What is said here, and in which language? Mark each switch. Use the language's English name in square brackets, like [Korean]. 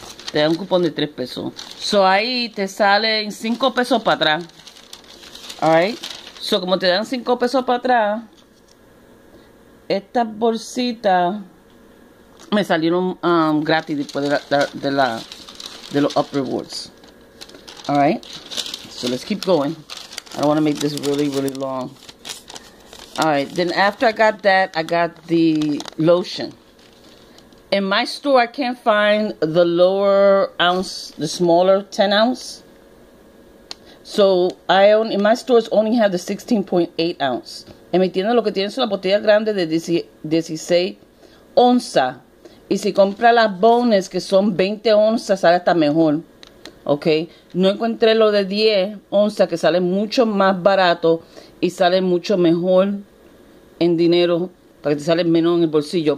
[Spanish] Te dan un cupón de 3 pesos. So ahí te salen 5 pesos para atrás. Alright. So como te dan 5 pesos para atrás, estas bolsitas me salieron gratis después de los up rewards. [English] Alright. So let's keep going. I don't want to make this really, really long. Alright, then after I got that, I got the lotion. In my store, I can't find the lower ounce, the smaller 10 ounce. So, in my stores only have the 16.8 ounce. [Spanish] En mi tienda lo que tienen son las botellas grandes de 16 onzas. Y si compra las bonus, que son 20 onzas, sale hasta mejor. Ok, no encontré lo de 10 onzas que sale mucho más barato y sale mucho mejor en dinero para que te sale menos en el bolsillo.